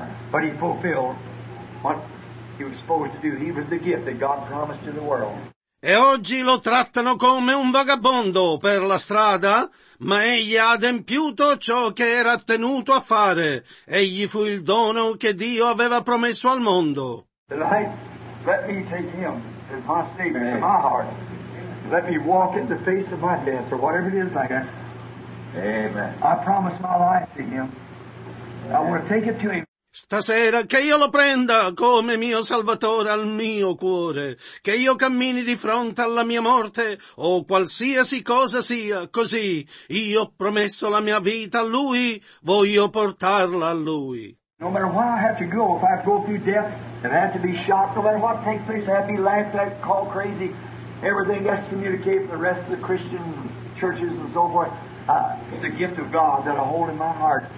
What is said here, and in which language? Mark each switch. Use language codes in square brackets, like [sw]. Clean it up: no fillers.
[en] But he fulfilled what he was supposed to do. He was the gift that God promised to the world. [it] E oggi lo trattano come un vagabondo per la strada, ma egli ha adempiuto ciò che era tenuto a fare. Egli fu il dono che Dio aveva promesso al mondo. [en] Let me take him as my savior, to my heart. Let me walk in the face of my death, or whatever it is like that. Amen. I promise my life to him. I want to take it to him. [it] Stasera che io lo prenda come mio salvatore al mio cuore, che io cammini di fronte alla mia morte o qualsiasi cosa sia, così io ho promesso la mia vita a lui, voglio portarla a lui. [en] No matter where I have to go, if I go through death and I have to be shot, no matter what takes place, I have to be laughed at, called crazy, everything gets communicated from the rest of the Christian churches and so forth, it's a gift of God that I hold in my heart.